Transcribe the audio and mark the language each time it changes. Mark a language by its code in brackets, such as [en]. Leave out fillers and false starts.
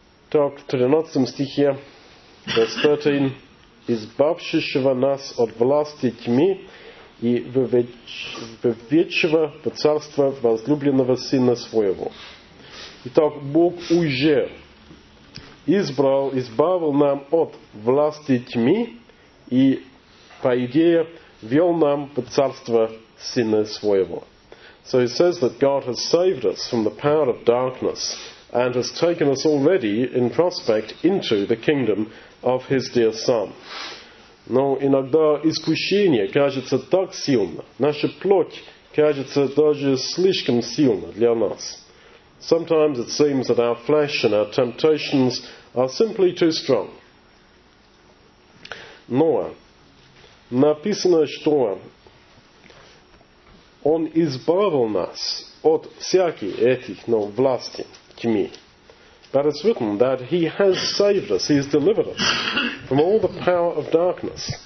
[ru] Так, 13 стихе, [en] verse 13, [ru] избавшего нас от власти тьмы и вовечного в царство возлюбленного Сына Своего. Итак, Бог уже избрал, избавил нам от власти тьмы и, по идее, вел нам в царство Сына Своего. [en] So he says that God has saved us from the power of darkness and has taken us already in prospect into the kingdom of his dear Son. [ru] Но иногда искушение кажется так сильно, наша плоть кажется даже слишком сильной для нас. [en] Sometimes it seems that our flesh and our temptations are simply too strong. [ru] Но написано, что Он избавил нас от всяких этих, но власти тьмы. [en] But it's written that He has saved us, He has delivered us from all the power of darkness.